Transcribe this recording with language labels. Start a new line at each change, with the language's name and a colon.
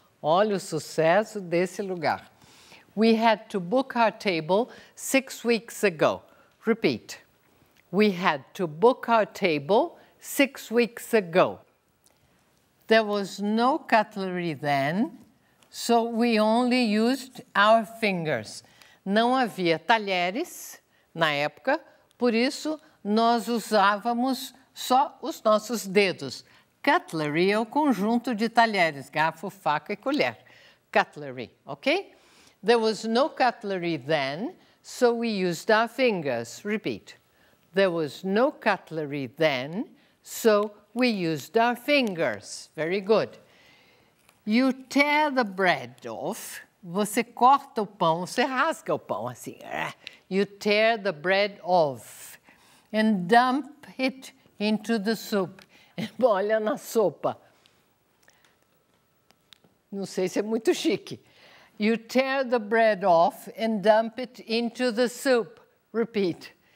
Portuguese: Olha o sucesso desse lugar.
English: We had to book our table 6 weeks ago. Repeat. We had to book our table 6 weeks ago. There was no cutlery then, so we only used our fingers.
Portuguese: Não havia talheres na época, por isso nós usávamos só os nossos dedos. Cutlery é o conjunto de talheres, garfo, faca e colher.
English: Cutlery, ok? There was no cutlery then, so we used our fingers. Repeat. There was no cutlery then, so we used our fingers. Very good. You tear the bread off.
Portuguese: Você corta o pão, você rasga o pão assim.
English: You tear the bread off and dump it into the soup.
Portuguese: Embolha na sopa. Não sei se é muito chique.
English: You tear the bread off and dump it into the soup. Repeat.